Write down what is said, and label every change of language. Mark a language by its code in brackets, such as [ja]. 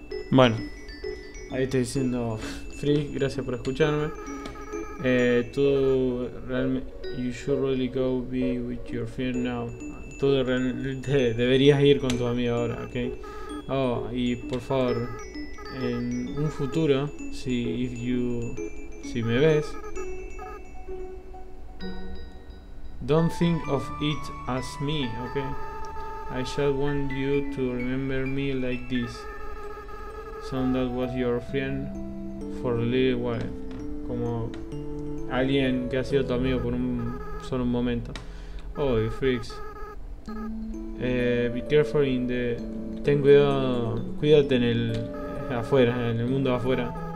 [es] Bueno, ahí estoy diciendo, Frizz, gracias por escucharme. [en] You should really go be with your friend now. [es] Tú realmente deberías ir con tu amigo ahora, ¿ok? Oh, y por favor, en un futuro, si me ves, [en] don't think of it as me, [es] ¿ok? [en] I just want you to remember me like this. Someone that was your friend for a little while. [es] Como alguien que ha sido tu amigo por solo un momento. [en] Oh, Frizz. Be careful in the. [es] Ten cuidado. Cuídate en el. Afuera, en el mundo afuera.